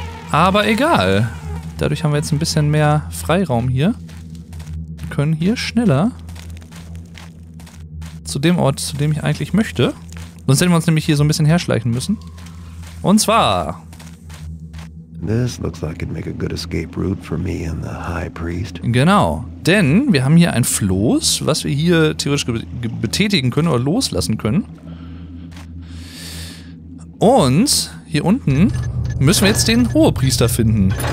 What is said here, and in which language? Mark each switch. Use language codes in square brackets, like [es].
[de] Aber egal. Dadurch haben wir jetzt ein bisschen mehr Freiraum hier. Wir können hier schneller zu dem Ort, zu dem ich eigentlich möchte. Sonst hätten wir uns nämlich hier so ein bisschen herschleichen müssen. Und zwar... [en] This looks like it'd make a good escape route for me and the High Priest. [de] Genau, denn wir haben hier ein Floß, was wir hier theoretisch betätigen können oder loslassen können. Und hier unten müssen wir jetzt den Hohepriester finden.